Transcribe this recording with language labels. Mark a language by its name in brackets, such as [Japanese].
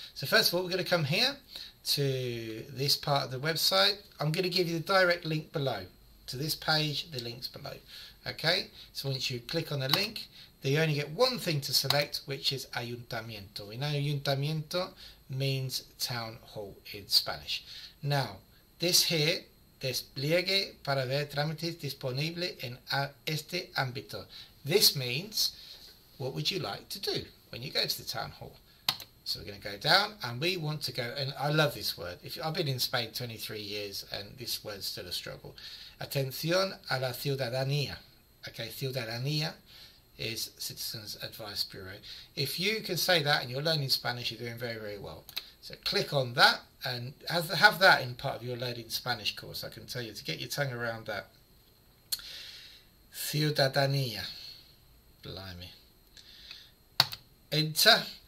[English] So first of all, we're going to come here to this part of the website. I'm going to give you the direct link below to this page, the links below. Okay, so once you click on the link, then you only get one thing to select, which is Ayuntamiento. We know Ayuntamiento means town hall in Spanish. Now, this here, [Spanish] despliegue para ver trámites disponible en este ámbito. [English] This means, what would you like to do when you go to the town hall? So we're going to go down, and we want to go, and I love this word. I've been in Spain 23 years, and this word's still a struggle. [Spanish] Atención a la ciudadanía. [English] Okay, ciudadanía is Citizens Advice Bureau. If you can say that and you're learning Spanish, you're doing very, very well. So click on that and have that in part of your learning Spanish course. I can tell you to get your tongue around that. Ciudadanía. Blimey. Enter.